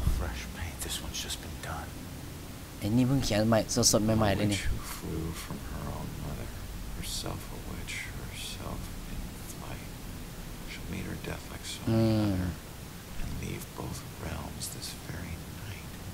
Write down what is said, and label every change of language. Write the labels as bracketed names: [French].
[English] fresh paint this one's just been done [Thai] ไอ้นี่เพิ่งเขียนใหม่สดๆใหม่ๆเลยนี่ [English] flew from her own mother herself a witch herself in flight she'll meet her death like so and leave both realms this very night